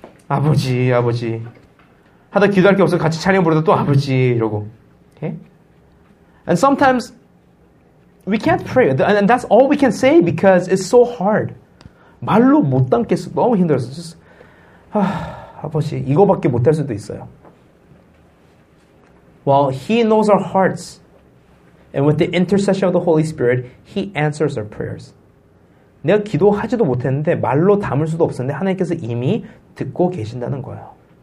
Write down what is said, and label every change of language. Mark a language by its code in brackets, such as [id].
[ko] 하다 기도할 게 없어 같이 찬양 부르다 또 아버지 이러고. [en] Okay? And sometimes we can't pray. And that's all we can say because it's so hard. [ko] 말로 못 담겠어. 너무 힘들어서. Just, 아버지, 이거밖에 못 할 수도 있어요. [en] Well, He knows our hearts. And with the intercession of the Holy Spirit, He answers our prayers. [ko] 내가 기도하지도 못했는데 말로 담을 수도 없었는데 하나님께서 이미 듣고 계신다는 거예요.